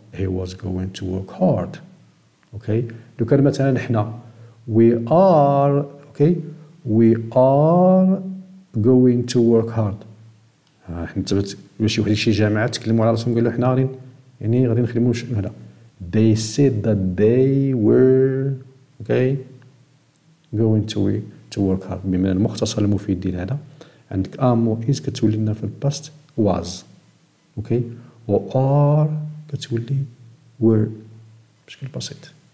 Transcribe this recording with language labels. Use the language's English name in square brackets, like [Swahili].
[English] He was going to work hard. Okay. [Arabic] لو كان مثلا نحنا. [English] We are. Okay. We are going to work hard. [Arabic] احنا تبت ماشي واحد شي جامعة تكلموا على راسهم قالوا احنا غادي يعني غادي نخدموا هذا. [English] They said that they were okay going to work hard. [Arabic] بمعنى المختصر المفيد ديال هذا عندك am و is كتولي لنا في الباست was okay و are كتولي were بشكل بسيط.